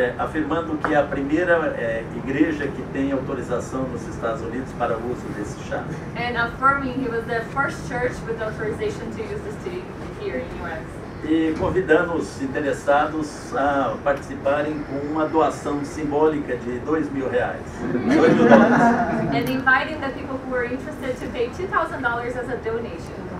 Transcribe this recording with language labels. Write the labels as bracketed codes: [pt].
[pt] Afirmando que é a primeira igreja que tem autorização nos Estados Unidos para o uso desse chá. [en] And affirming he was the first church with authorization to use this tea here in US. [pt] E convidando os interessados a participarem com uma doação simbólica de R$2.000. R$2.000. [en] And inviting the people who were interested to pay $2,000 as a donation.